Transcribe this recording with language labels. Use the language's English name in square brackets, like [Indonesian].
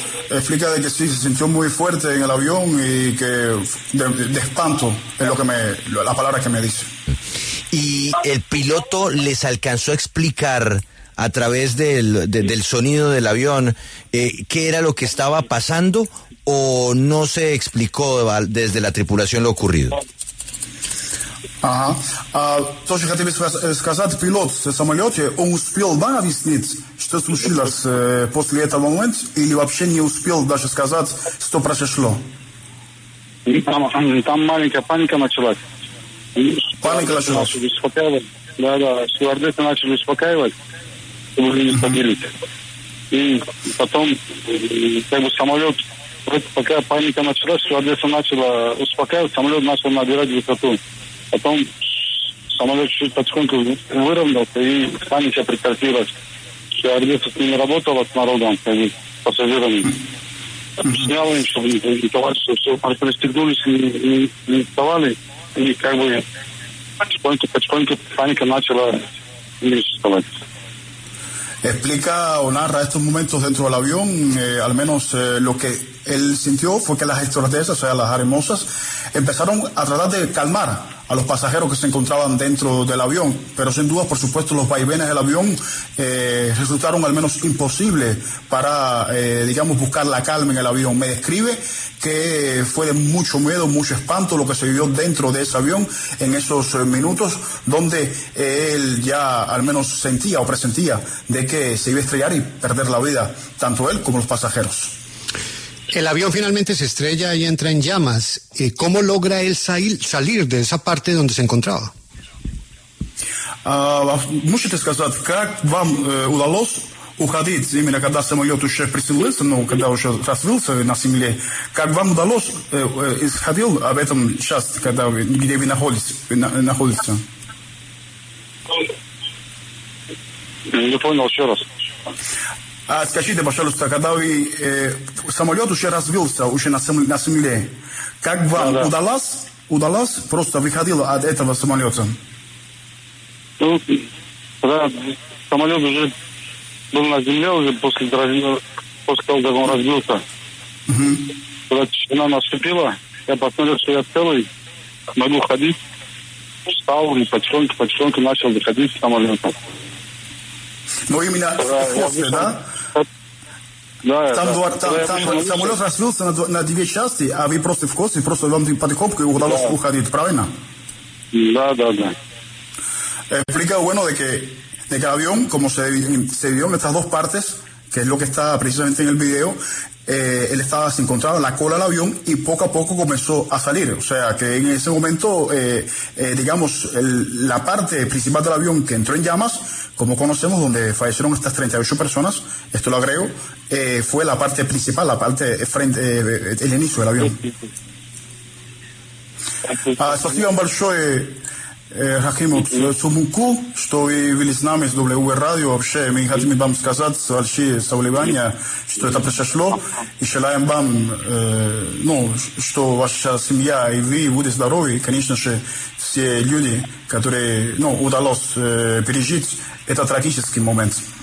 [Spanish] Explica de que sí, se sintió muy fuerte en el avión y que de espanto es lo que me la palabra que me dice. ¿Y el piloto les alcanzó a explicar a través del sonido del avión qué era lo que estaba pasando o no se explicó desde la tripulación lo ocurrido? [Russian] Ага. А то, что я хотел бы сказать, пилот в самолете, он успел вам объяснить, что случилось после этого момента, или вообще не успел даже сказать, что произошло? Там маленькая паника началась. Пане Калашунов. Начали успокаивать. Да, стюардессы начали успокаивать. Мы не поделили. И потом, как бы самолет, вот пока паника началась, стюардесса начала успокаивать, самолет начал набирать высоту. Потом самолет чуть-чуть подсконку выровнялся, и паника прекратилась. Стюардесса с ними работала, с народом, с пассажирами. Снял им, чтобы не вставали, чтобы все пристегнулись и не вставали. И как бы потихоньку паника начала уменьшиться. [Spanish] Explica o narra estos momentos dentro del avión, al menos lo que él sintió fue que las estuardesas, o sea, las aeromosas, empezaron a tratar de calmar a los pasajeros que se encontraban dentro del avión, pero sin duda, por supuesto, los vaivenes del avión resultaron al menos imposible para, digamos, buscar la calma en el avión. Me describe que fue de mucho miedo, mucho espanto lo que se vivió dentro de ese avión en esos minutos donde él ya al menos sentía o presentía de que se iba a estrellar y perder la vida, tanto él como los pasajeros. El avión finalmente se estrella y entra en llamas. ¿Cómo logra él salir de esa parte donde se encontraba? [Russian] Можете сказать, как вам удалось уходить, именно когда самолет уже приземлился, ну, когда уже развился на земле, как вам удалось исходил об этом сейчас, когда вы, где вы находитесь? Не понял еще раз. А скажите, пожалуйста, когда вы самолет уже развился, уже на земле, как вам удалось просто выходить от этого самолета? Ну, когда самолет уже был на земле, уже после того, как он разбился, когда тишина наступила, я посмотрел, что я целый, могу ходить, встал и потихоньку начал выходить с самолета. Ну, именно после, да? Да, самолет разбился на две части, а вы просто в косы, просто вам потихоньку удалось уходить, правильно? Да. [Spanish] Explica, bueno, de que el avión, como se vio en estas dos partes, que es lo que está precisamente en el video, él estaba, se encontraba en la cola del avión y poco a poco comenzó a salir. O sea, que en ese momento, digamos, la parte principal del avión que entró en llamas, como conocemos, donde fallecieron estas 38 personas, esto lo agrego, fue la parte principal, la parte frente, el inicio del avión. [Russian] Спасибо вам большое, Рахимов, Сумуку, что вы были с нами с W Radio. Вообще, мы хотим вам сказать большие соболевания, что это произошло, и желаем вам, ну, что ваша семья и вы будете здоровы, конечно же, все люди, которые, ну, удалось пережить этот трагический момент.